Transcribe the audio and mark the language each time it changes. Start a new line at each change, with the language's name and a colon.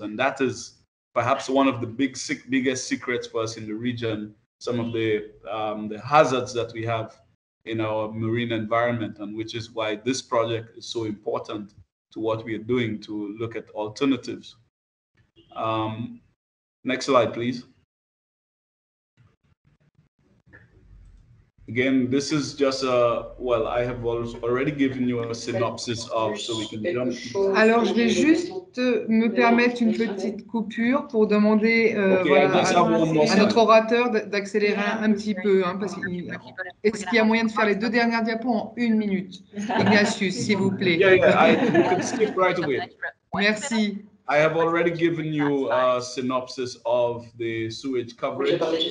English: And that is perhaps one of the biggest secrets for us in the region, some of the hazards that we have in our marine environment, and which is why this project is so important to what we are doing to look at alternatives. Next slide, please. Again, this is just a, well, I have already given you a synopsis of, so we can jump.
French: Alors, je vais juste me permettre une petite coupure pour demander à notre orateur d'accélérer un petit peu. Hein, parce qu'il, est-ce qu'il y a moyen de faire les deux dernières diapos en une minute, Ignatius, s'il vous plaît?
English: You can skip right away.
French: Merci.
English: I have already given you a synopsis of the sewage coverage.